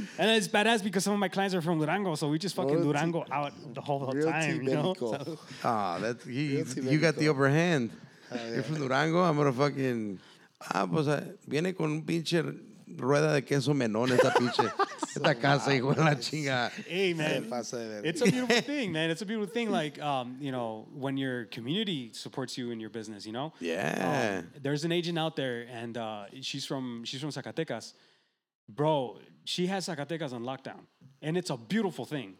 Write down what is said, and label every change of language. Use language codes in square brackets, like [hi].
[en] And it's badass because some of my clients are from Durango, so we just fucking Durango out the whole time, you know? Ah, you got the upper hand. You're from Durango, I'm gonna fucking... [es] Ah, pues, viene con un pinche rueda de queso menón esta pinche... Esta casa, hijo de la chinga. [en] Hey, man. It's a beautiful thing, man. It's a beautiful thing, like, you know, when your community supports you in your business, you know? Yeah. There's an agent out there, and she's from Zacatecas. Bro, she has Zacatecas on lockdown, and it's a beautiful thing.